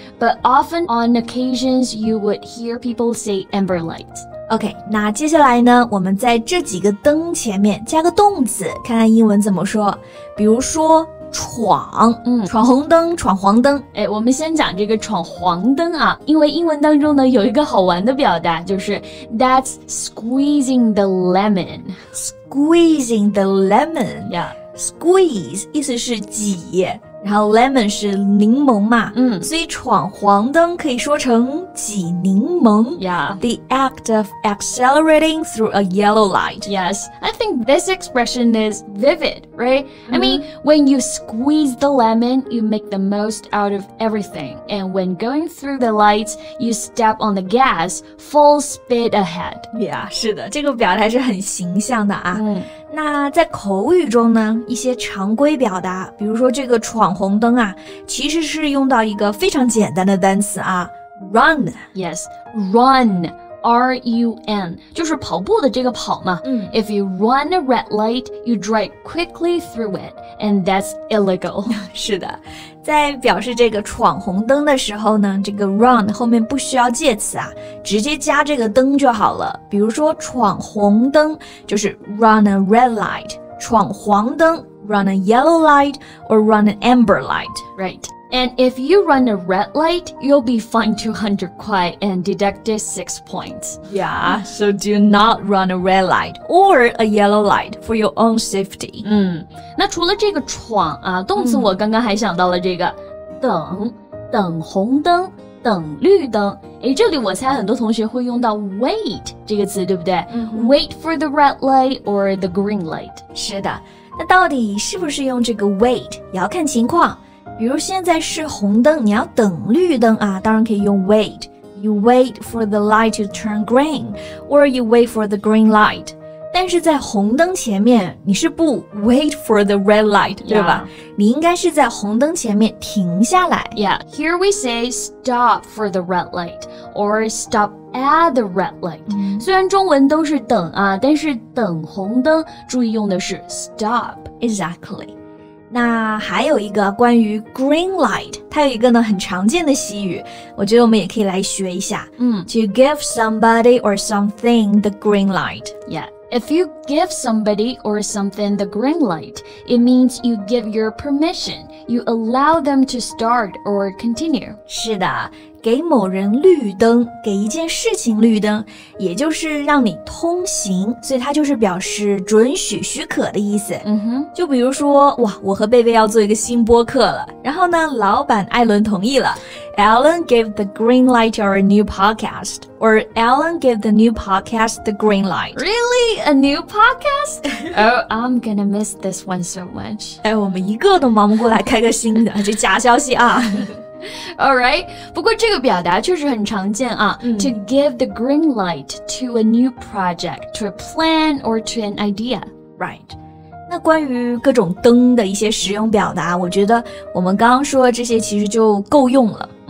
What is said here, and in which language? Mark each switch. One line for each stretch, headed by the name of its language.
English: But often on occasions you would hear people say amber light.
Chinese: OK, 那接下来呢，我们在这几个灯前面加个动词，看看英文怎么说。比如说闯、闯红灯、闯黄灯。哎，我们先讲这个闯黄灯啊，因为英文当中呢有一个好玩的表达，就是
English: That's squeezing the lemon. Squeezing the lemon. Yeah.
Chinese: Squeeze 意思是挤，然后 lemon 是柠檬嘛，所以闯黄灯可以说成挤柠檬。
English: Yeah. The act of accelerating through a yellow light. Yes, I think this expression is vivid, right? I mean, when you squeeze the lemon, you make the most out of everything. And when going through the light, you step on the gas full speed ahead.
Chinese: Yeah, 是的，这个表达还是很形象的啊。那在口语中呢，一些常规表达，比如说这个闯红灯啊，其实是用到一个非常简单的单词啊， run.
English: Yes, run, R-U-N,
Chinese: 就是跑步的这个跑嘛。
English: If you run a red light, you drive quickly through it, and that's illegal.
Chinese: 是的，在表示这个闯红灯的时候呢，这个 run 后面不需要介词啊，直接加这个灯就好了。比如说闯红灯就是
English: run a red light,
Chinese: 闯黄灯
English: run a yellow light, or run an amber light. Right. And if you run a red light, you'll be fined 200 kuai and deducted 6 points. Yeah, so do not run a red light or a yellow light for your own safety.
Chinese: 那除了这个闯啊，动词我刚刚还想到了这个等，等红灯，等绿灯。诶，这里我猜很多同学会用到 wait 这个词，对不对？
English: Wait for the red light or the green light.
Chinese: 是的，那到底是不是用这个 wait 要看情况。比如现在是红灯，你要等绿灯啊，当然可以用 wait.
English: You wait for the light to turn green, or you wait for the green light.
Chinese: 但是在红灯前面，你是不
English: wait for the red light,
Chinese: 对吧？
English: Yeah.
Chinese: 你应该是在红灯前面停下来。
English: Yeah, here we say stop for the red light, or stop at the red light.
Chinese: 虽然中文都是等啊，但是等红灯，注意用的是 stop.
English: Exactly.
Chinese: 那还有一个关于 green light, 它有一个呢很常见的习语，我觉得我们也可以来学一下。
English: To give somebody or something the green light. Yeah, if you give somebody or something the green light, it means you give your permission, you allow them to start or continue.
Chinese: 是的，给某人绿灯，给一件事情绿灯，也就是让你通行，所以它就是表示准许、许可的意思。就比如说，哇，我和贝贝要做一个新播客了，然后呢，老板艾伦同意了。
English: Alan gave the green light to our new podcast, or Alan gave the new podcast the green light. Really? A new podcast? Oh, I'm gonna miss this one so much.
Chinese: 哎，我们一个都忙不过来开个新的，这假消息啊。
English: Alright,
Chinese: 不过这个表达确实很常见啊。
English: To give the green light to a new project, to a plan or to an idea. Right.
Chinese: 那关于各种灯的一些实用表达，我觉得我们刚刚说的这些其实就够用了。